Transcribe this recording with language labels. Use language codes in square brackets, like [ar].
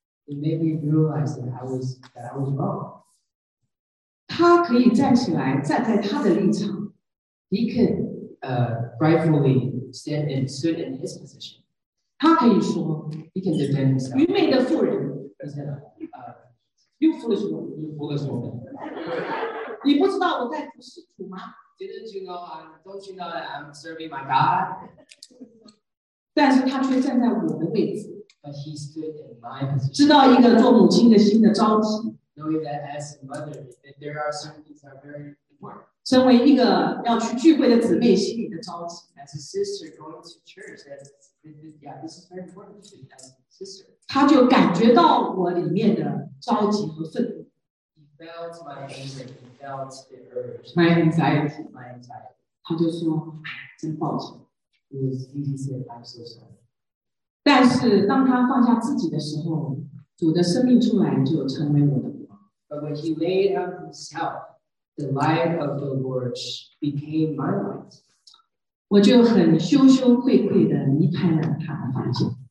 [en] ，It made me realize that I was wrong。 [zh] 他可以站起来站在他的立场 [en] ，He could rightfully stood in his position。 [zh] 他可以说 [en] ，He can defend himself。 [zh] 愚昧的妇人 [en] ，He said, "You foolish woman, you foolish woman." [zh] 你不知道我在服侍主吗 [en] ？Didn't you know? Don't you know that I'm serving my God? [zh] 但是他却站在我的位置 [en] ，But he stood in my position. [zh] 知道一个做母亲的心的着急 [en] ，Knowing that as a mother, that there are certain things that are very important. [zh] 身为一个要去聚会的姊妹，心里的着急 [en] ，As a sister going to church, that's Yeah, this is very important to me as a sister. [zh] 他就感觉到我里面的着急和愤怒。 [en] He felt my anger. He felt the urge. My anxiety. My anxiety. [zh] 他就说：“哎，真抱歉。” [en] He was easily upset. [zh] 但是当他放下自己的时候，主的生命出来就成为我的光。 [en] But when he laid up himself, the light of the Lord became my light. [zh] 我就很羞羞愧愧的离开了他的房间。